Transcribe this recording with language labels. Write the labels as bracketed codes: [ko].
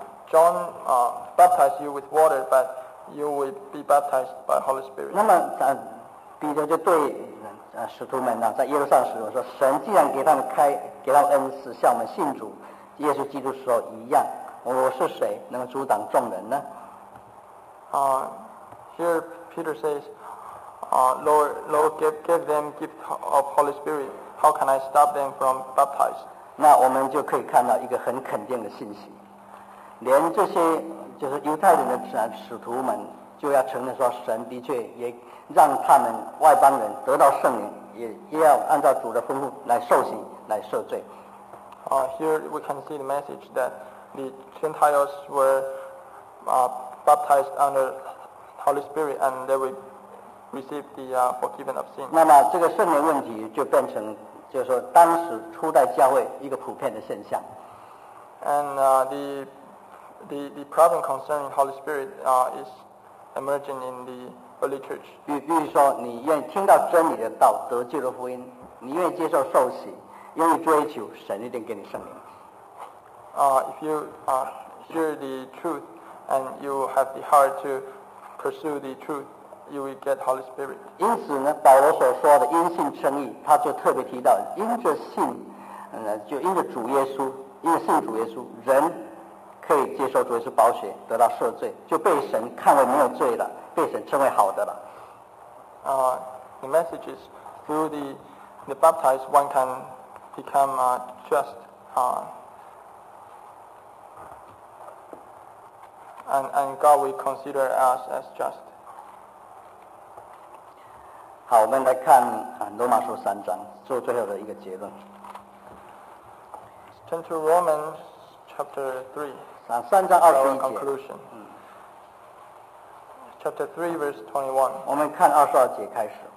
[en] John baptized you with water, but you will be baptized by Holy Spirit. [zh] 那么彼得就对使徒们呢，在耶路撒冷使徒说：神既然给他们恩赐，像我们信主耶稣基督的时候一样，我是谁能阻挡众人呢？ [en] Here Peter says, Lord, give them gift of Holy Spirit. How can I stop them from baptized? [zh] 那我们就可以看到一个很肯定的信息，连这些就是犹太人的使徒们就要承认说，神的确也让他们外邦人得到圣灵，也要按照主的吩咐来受洗来赦罪。 [en] Here we can see the message that the Gentiles were baptized under Holy Spirit, and they will receive the forgiveness of sin. [zh] 那么这个圣灵问题就变成，就是说当时初代教会一个普遍的现象。 [en] And the problem concerning Holy Spirit is emerging in the early church. [zh] 比如说，你愿意听到真理的道，得救的福音，你愿意接受受洗，愿意追求，神一定给你圣灵。 [en] If you hear the truth and you have the heart to pursue the truth, you will get Holy Spirit. [zh] 因此呢，保罗所说的因信称义，他就特别提到，因着信，就因着主耶稣，因着信主耶稣，人可以接受主耶稣宝血，得到赦罪，就被神看为没有罪了，被神称为好的了。 [en] The message is through the the baptized one can become just and God will consider us as just. [zh] 好，我们来看罗马书三章做最后的一个结论。 [en] Turn to Romans chapter 3. [zh] 三章二十一节。 [en] Our conclusion. Chapter 3, verse 21. [zh] 我们看二十二节开始。